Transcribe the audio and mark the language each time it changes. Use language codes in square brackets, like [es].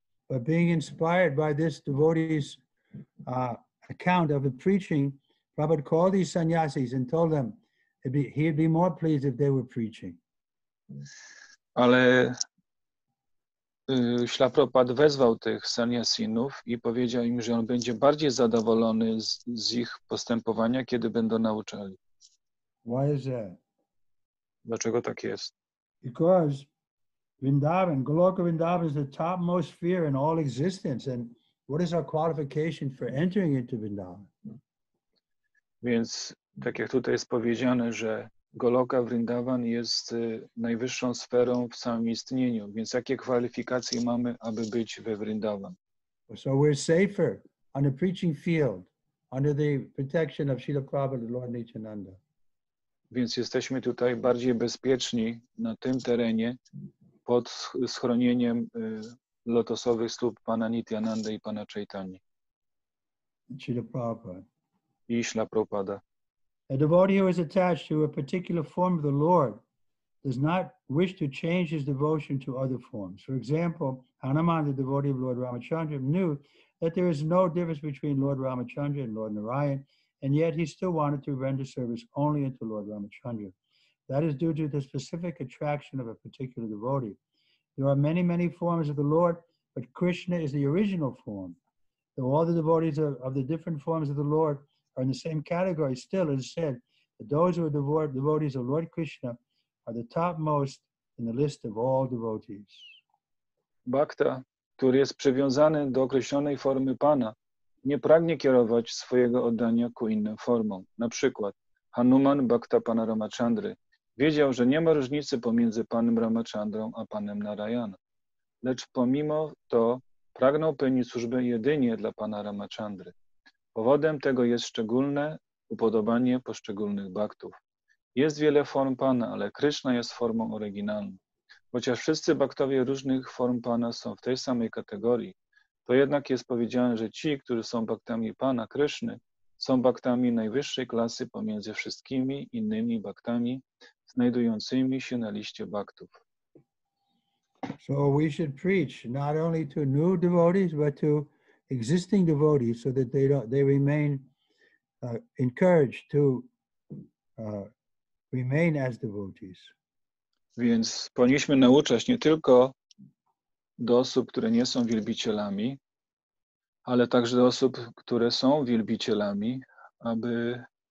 [en] But being inspired by this devotee's account of the preaching, Prabhupada called these sannyasis and told them he'd be more pleased if they were preaching. [pl] Ale Śla Prabhupada wezwał tych sannyasinów i powiedział im, że on będzie bardziej zadowolony z ich postępowania, kiedy będą nauczali. [en] Why is that? [pl] Dlaczego tak jest? [en] Because Vrindavan, Goloka Vrindavan is the topmost sphere in all existence. And what is our qualification for entering into Vrindavan? [pl] Więc tak jak tutaj jest powiedziane, że Goloka Vrindavan jest najwyższą sferą w samym istnieniu. Więc jakie kwalifikacje mamy, aby być we Vrindavan? [en] So we're safer on the preaching field under the protection of Srila Prabhupada, Lord Nityananda. [pl] Więc jesteśmy tutaj bardziej bezpieczni na tym terenie pod schronieniem lotosowych stóp Pana Nityananda i Pana Chaitanya. [en] Srila Prabhupada. [pl] I Śla Prabhupada. [en] A devotee who is attached to a particular form of the Lord does not wish to change his devotion to other forms. For example, Hanuman, the devotee of Lord Ramachandra, knew that there is no difference between Lord Ramachandra and Lord Narayan, and yet he still wanted to render service only unto Lord Ramachandra. That is due to the specific attraction of a particular devotee. There are many, many forms of the Lord, but Krishna is the original form. Though all the devotees of the different forms of the Lord are in the same category, still it is said that those who are devotees of Lord Krishna are the topmost in the list of all devotees. [pl] Bhakta, który jest przywiązany do określonej formy Pana, nie pragnie kierować swojego oddania ku innym formom. Na przykład Hanuman, Bhakta Pana Ramachandry, wiedział, że nie ma różnicy pomiędzy Panem Ramachandrą a Panem Narayanem. Lecz pomimo to pragnął pełnić służbę jedynie dla Pana Ramachandry. Powodem tego jest szczególne upodobanie poszczególnych baktów. Jest wiele form Pana, ale Kryszna jest formą oryginalną. Chociaż wszyscy baktowie różnych form Pana są w tej samej kategorii, to jednak jest powiedziane, że ci, którzy są baktami Pana Kryszny, są baktami najwyższej klasy pomiędzy wszystkimi innymi baktami znajdującymi się na liście baktów. [en] So we should preach not only to new devotees, but to existing devotees, so that they remain encouraged to remain as devotees. [pl] Więc powinniśmy nauczać nie tylko do osób, które nie są wielbicielami, ale także do osób, które są wielbicielami, aby